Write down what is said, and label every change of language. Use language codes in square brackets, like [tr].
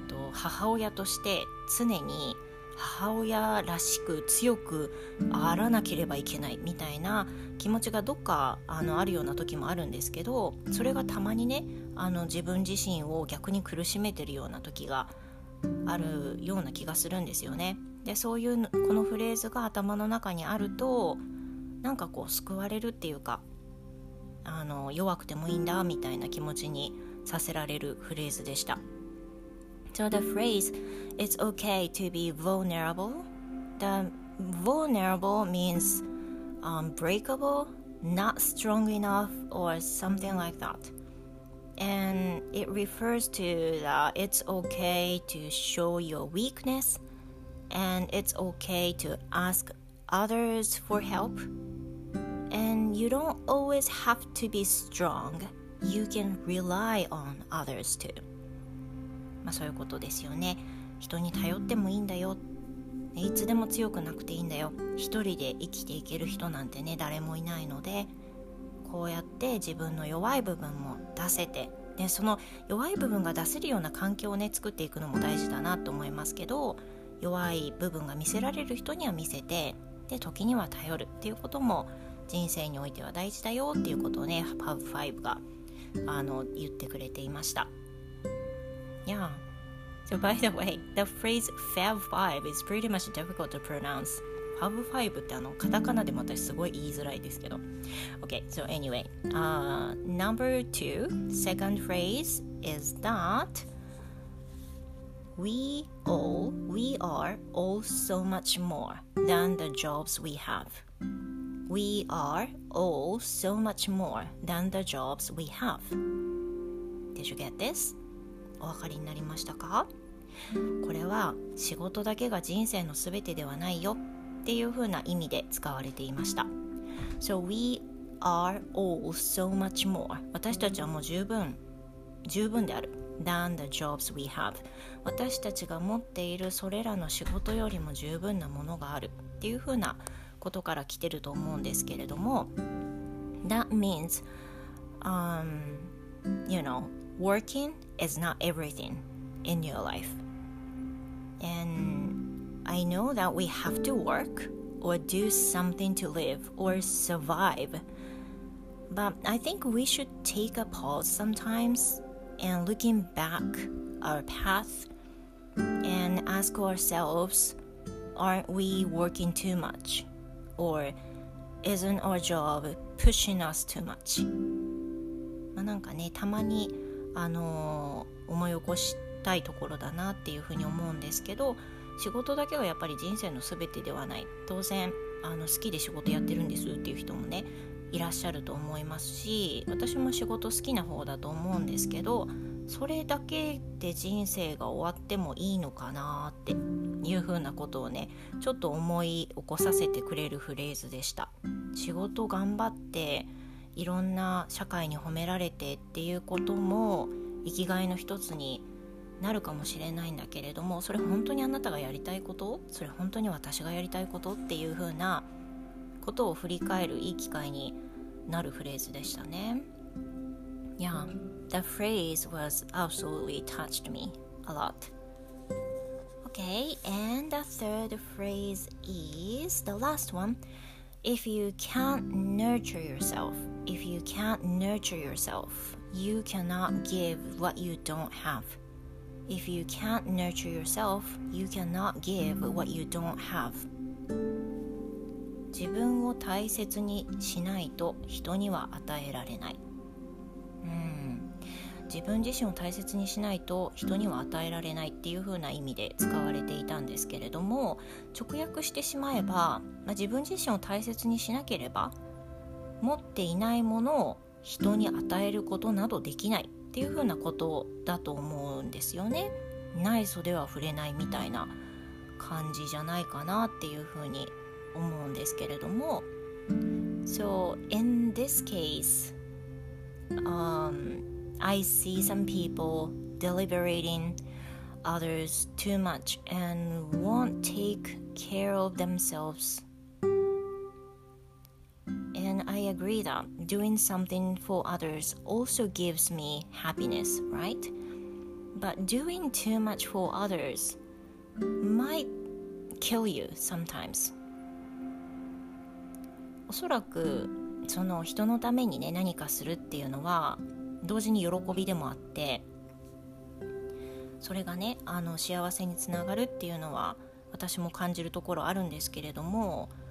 [ja] 母親として常に母親らしく強くあらなければいけないみたいな気持ちがどっかあるような時もあるんですけど、それがたまにね、自分自身を逆に苦しめてるような時があるような気がするんですよね。で、そういうこのフレーズが頭の中にあると、なんかこう救われるっていうか、弱くてもいいんだみたいな気持ちにさせられるフレーズでした。 [en] So the phrase It's okay to be vulnerable. The vulnerable means breakable, not strong enough or something like that. And it refers to that it's okay to show your weakness and it's okay to ask others for help. And you don't always have to be strong. You can rely on others too. [ja] まあそういうことですよね。人に頼ってもいいんだよ。いつでも強くなくていいんだよ。一人で生きていける人なんてね、誰もいないので、こうやって自分の弱い部分も出せて、でその弱い部分が出せるような環境をね、作っていくのも大事だなと思いますけど、弱い部分が見せられる人には見せて、で時には頼るっていうことも人生においては大事だよっていうことをね、パブファイブが言ってくれていました。 [en] Yeah. So by the way, the phrase Fab Five is pretty much difficult to pronounce. [ja] Fab Five ってカタカナでも私すごい言いづらいですけど。 [en] Okay, so anyway, number two, second phrase is that we are all so much more than the jobs we have. We are all so much more than the jobs we have. Did you get this? [ja] お分かりになりましたか？これは仕事だけが人生のすべてではないよっていう風な意味で使われていました。 [en] So we are all so much more. [ja] 私たちはもう十分である。 [en] than the jobs we have. [ja] 私たちが持っているそれらの仕事よりも十分なものがあるっていう風なことから来てると思うんですけれども、 [en] That means you know,Working is not everything in your life. And I know that we have to work or do something to live or survive. But I think we should take a pause sometimes and looking back our path and ask ourselves, aren't we working too much? Or isn't our job pushing us too much? [ja] まあなんかね、たまに思い起こしたいところだなっていうふうに思うんですけど、仕事だけはやっぱり人生のすべてではない。当然好きで仕事やってるんですっていう人もねいらっしゃると思いますし、私も仕事好きな方だと思うんですけど、それだけで人生が終わってもいいのかなっていうふうなことをねちょっと思い起こさせてくれるフレーズでした。仕事頑張っていろんな社会に褒められてっていうことも生きがいの一つになるかもしれないんだけれども、それ本当にあなたがやりたいこと、それ本当に私がやりたいことっていうふうなことを振り返るいい機会になるフレーズでしたね。 [en] Yeah, the phrase was absolutely touched me a lot. Okay, and the third phrase is the last one. If you can't nurture yourselfIf you can't nurture yourself, you cannot give what you don't have. If you can't nurture yourself, you cannot give what you don't have. [ja] 自分を大切にしないと人には与えられない。自分自身を大切にしないと人には与えられないっていう風な意味で使われていたんですけれども、直訳してしまえば、自分自身を大切にしなければ持っていないものを人に与えることなどできないっていう風なことだと思うんですよね。ない袖は触れないみたいな感じじゃないかなっていう風に思うんですけれども、 [en] So in this case I see some people deliberating others too much and won't take care of themselvesAnd I agree that doing something for others also gives me happiness, right? But doing too much for others might kill you sometimes. [ja] おそらくその人のためにね何かするっていうのは同時に喜びでもあって、それがね幸せにつながるっていうのは私も感じるところあるんですけれども、